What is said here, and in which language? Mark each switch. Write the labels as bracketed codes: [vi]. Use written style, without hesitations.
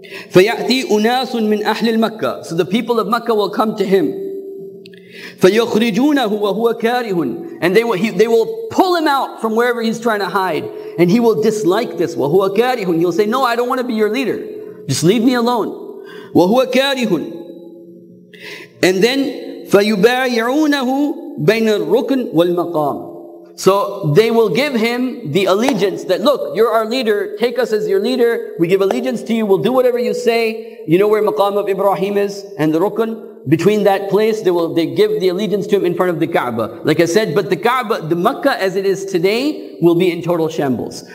[ar] فَيَأْتِي أُنَاسٌ مِّنْ أَحْلِ الْمَكَّةِ. [en] So the people of Mecca will come to him. [ar] فَيُخْرِجُونَهُ وَهُوَ كَارِهٌ. [en] And they will pull him out from wherever he's trying to hide. And he will dislike this. [ar] وَهُوَ كَارِهٌ. [en] He'll say, no, I don't want to be your leader. Just leave me alone. [ar] وَهُوَ كَارِهٌ. [en] And then, [ar] فَيُبَايِعُونَهُ بَيْنَ الرُّكْنِ وَالْمَقَامِ. [en] So they will give him the allegiance that, look, you're our leader, take us as your leader, we give allegiance to you, we'll do whatever you say. You know where Maqam of Ibrahim is and the Rukun? Between that place, they give the allegiance to him in front of the Kaaba. Like I said, but the Kaaba, the Mecca as it is today, will be in total shambles.